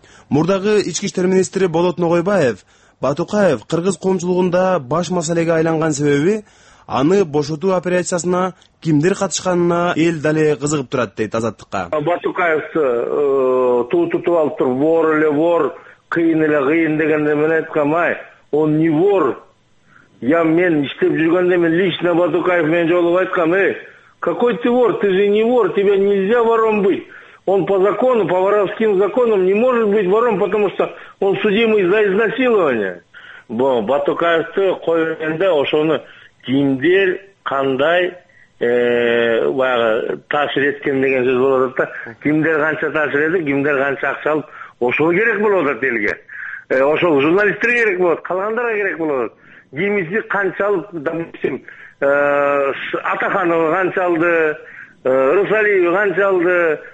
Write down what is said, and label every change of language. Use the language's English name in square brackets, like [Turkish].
[Kyrgyz] Мурдагы ички иштер министри Болот Ногойбаев Батукаев кыргыз коомчулугунда баш маселеге айланган себеби аны бошотуу операциясына кимдер катышканына эл дале кызыгып турат, дейт Азаттыкка. Батукаевди туутуп алыптыр, вор эле вор, кыйын эле кыйын дегенде мен айткам, ай [Russian] он не вор. [Kyrgyz] Я мен иштеп жүргөндө мен лично Батукаев менен жолугуп айткам, [Russian] эй какой ты вор, ты же не вор, тебе нельзя вором быть. Он по закону, по воровским законам не может быть вором, потому что он судимый за изнасилование. [Kyrgyz] Батукаевды койгондо ошону кимдер кандай баягы таасир эткен деген сөз болот да. Кимдер канча таасир эди, кимдер канча акча алып, ошол керек болуп атат элге. Ошол журналисттерге керек болот, калгандарга керек болот. Кимиси канча алып, допустим, Атаханова канча алды, Рысалиева канча алды.